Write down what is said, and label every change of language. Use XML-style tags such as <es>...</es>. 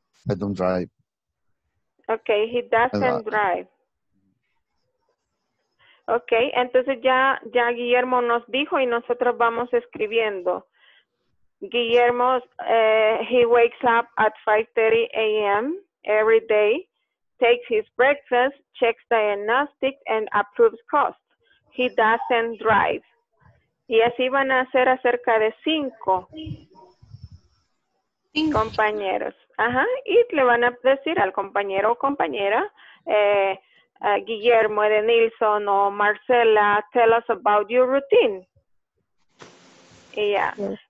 <en>I don't drive. Okay, he doesn't drive.</en> <es>Okay, entonces ya Guillermo nos dijo y nosotros vamos escribiendo.</es> <en>Guillermo, he wakes up at 5:30 a.m. every day, takes his breakfast, checks diagnostics, and approves costs. He doesn't drive.</en> <es>Y así van a ser acerca de cinco compañeros. Ajá, y le van a decir al compañero o compañera, Guillermo, Edenilson o Marcela,</es> <en>tell us about your routine.</en> <es>Y ya, yes.</es>